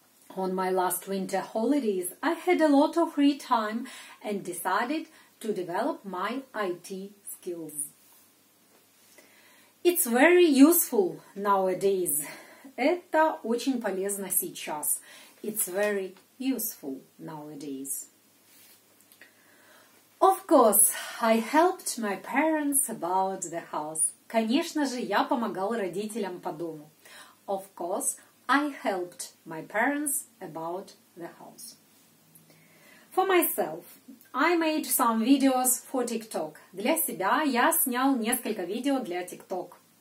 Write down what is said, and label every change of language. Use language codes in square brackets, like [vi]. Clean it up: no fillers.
[en] On my last winter holidays, I had a lot of free time and decided to develop my IT skills. It's very useful nowadays. [ru] Это очень полезно сейчас. [en] It's very useful nowadays. Of course, I helped my parents about the house. [ru] Конечно же, я помогал родителям по дому. [en] Of course, I helped my parents about the house. For myself, I made some videos for TikTok. [ru] Для себя я снял несколько видео для TikTok.